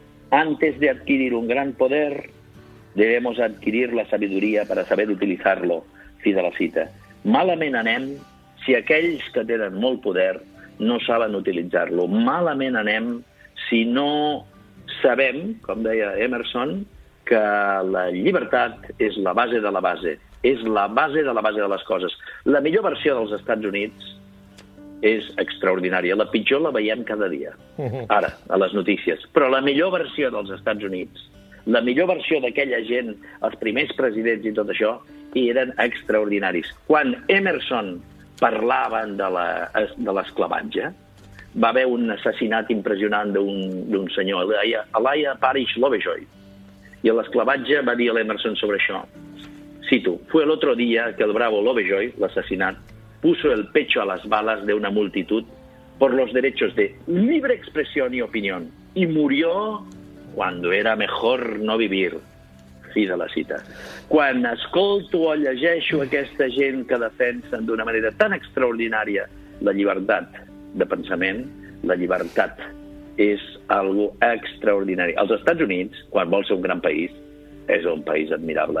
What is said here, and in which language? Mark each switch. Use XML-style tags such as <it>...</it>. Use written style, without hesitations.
<es>Antes de adquirir un gran poder, debemos adquirir la sabiduría para saber utilizarlo.</es> <ca>Fi de la cita. Malament anem si aquells que tenen molt poder no saben utilitzar-lo. Malament anem si no sabem, com deia Emerson, que la llibertat és la base de la base. És la base de la base de les coses. La millor versió dels Estats Units és extraordinària. La pitjor la veiem cada dia, ara, a les notícies. Però la millor versió dels Estats Units, la millor versió d'aquella gent, els primers presidents i tot això, eren extraordinaris. Quan Emerson parlaven de l'esclavatge. Va haver un assassinat impressionant d'un senyor, Elijah Parish Lovejoy, i l'esclavatge va dir a l'Emerson sobre això.</ca> <es>Cito, fue el otro día que el bravo Lovejoy,</es> <ca>l'assassinat,</ca> <es>puso el pecho a las balas de una multitud por los derechos de libre expresión y opinión, y murió cuando era mejor no vivir.</es> <ca>Fi de la cita. Quan escolto o llegeixo aquesta gent que defensen d'una manera tan extraordinària la llibertat de pensament, la llibertat és algo extraordinari. Els Estats Units, quan vol ser un gran país, és un país admirable.</ca>